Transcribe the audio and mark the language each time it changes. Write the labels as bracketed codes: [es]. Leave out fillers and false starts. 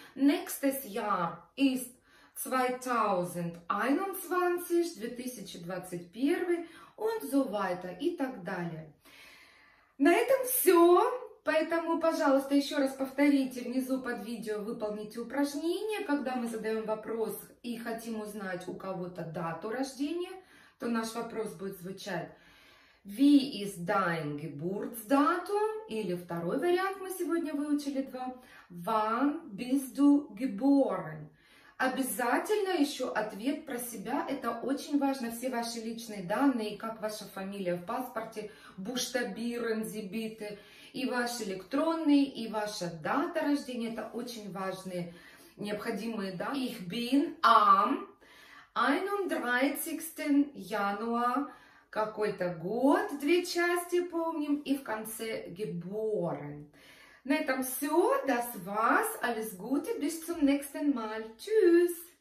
[de] Nächstes Jahr ist 2021, 2021 und so weiter [ru] и так далее. На этом все. Поэтому, пожалуйста, еще раз повторите внизу под видео, выполните упражнение. Когда мы задаем вопрос и хотим узнать у кого-то дату рождения, то наш вопрос будет звучать: [de] Wie ist dein Geburtsdatum? [ru] Или второй вариант, мы сегодня выучили два. [de] Wann bist du geboren? [ru] Обязательно еще ответ про себя. Это очень важно. Все ваши личные данные, как ваша фамилия в паспорте, [de] Buchstabieren, Sie bitte, [ru] и ваш электронный, и ваша дата рождения. Это очень важные, необходимые данные. [de] Ich bin am 31. Januar. [ru] Какой-то год, две части помним, и в конце geboren. На этом все. [de] Das war's. Alles Gute. Bis zum nächsten Mal. Tschüss.